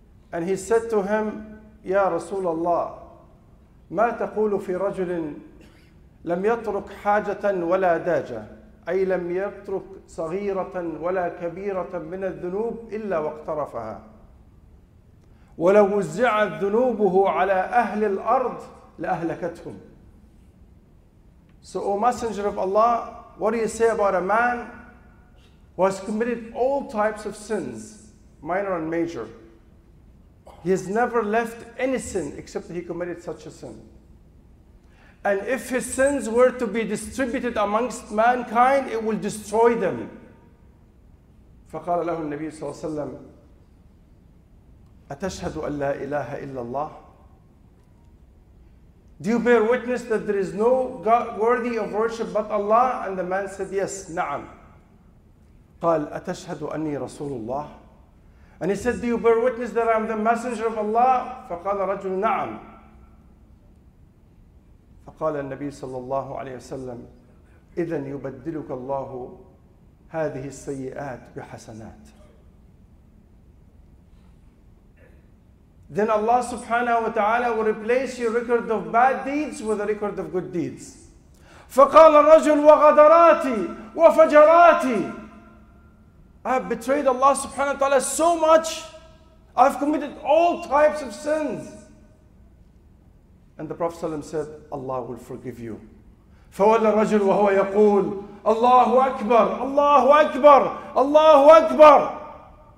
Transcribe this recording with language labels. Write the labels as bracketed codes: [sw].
[en] and he said to him [ar] يا رسول الله ما تقول في رجل لم يترك حاجة ولا داجة أي لم يترك صغيرة ولا كبيرة من الذنوب إلا واقترفها ولو وزعت ذنوبه على أهل الأرض لأهلكتهم. [en] So O Messenger of Allah, what do you say about a man who has committed all types of sins, minor and major? He has never left any sin except he committed such a sin. And if his sins were to be distributed amongst mankind, it will destroy them. [ar] فقال له النبي صلى الله عليه وسلم أتشهد أن لا إله إلا الله؟ [en] Do you bear witness that there is no God worthy of worship but Allah? And the man said, yes, [ar] نعم. قال أتشهد أني رسول الله؟ [en] And he said, do you bear witness that I am the messenger of Allah? [ar] فقال رجل نعم. فقال النبي صلى الله عليه وسلم إذن يبدلك الله هذه السيئات بحسنات. [en] Then Allah subhanahu wa ta'ala will replace your record of bad deeds with a record of good deeds. [ar] فقال الرجل وغدراتي وفجراتي. [en] I have betrayed Allah subhanahu wa ta'ala so much. I've committed all types of sins. And the Prophet ﷺ said, Allah will forgive you. [ar] فَوَلَّ الرَّجُلُ وَهُوَ يَقُولُ Allahu Akbar, Allahu Akbar, Allahu Akbar.